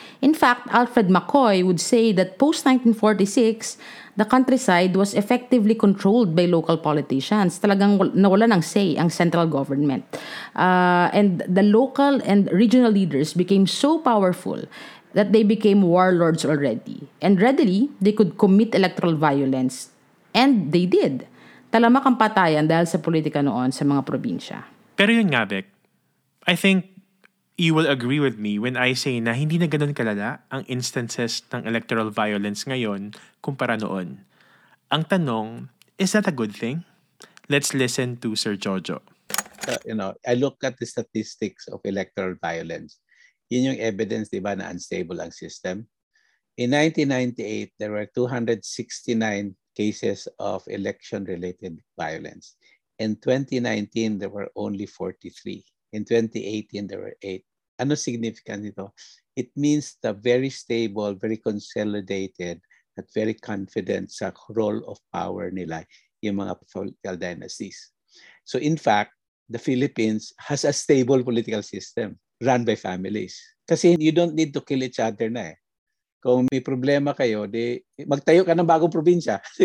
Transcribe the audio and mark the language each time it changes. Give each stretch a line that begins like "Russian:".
English: In fact, Alfred McCoy would say that post-1946, the countryside was effectively controlled by local politicians.
Filipino: Talagang nawala ng say ang central government.
English: And the local and regional leaders became so powerful that they became warlords already. And readily, they could commit electoral violence. And they did.
Filipino: Talamak ang patayan dahil sa politika noon sa mga probinsya. Pero yun nga, Bec,
English: I think you will agree with me when I say
Filipino: na hindi na ganun kalala ang instances ng electoral violence ngayon kumpara noon. Ang tanong,
English: is that a good thing? Let's listen to Sir Jojo. I look at the statistics of electoral violence.
Filipino: Yun yung evidence, diba, na unstable ang system.
English: In 1998, there were 269 cases of election-related violence. In 2019, there were only 43. In 2018, there were 8.
Filipino: Ano significant ito?
English: It means the very stable, very consolidated, at very confident sa role of power nila yung mga political dynasties. So in fact, the Philippines has a stable political system run by families.
Filipino: Kasi
English: you don't need to kill each other
Filipino: na eh. Kung may problema kayo, di magtayo ka ng bagong probinsya.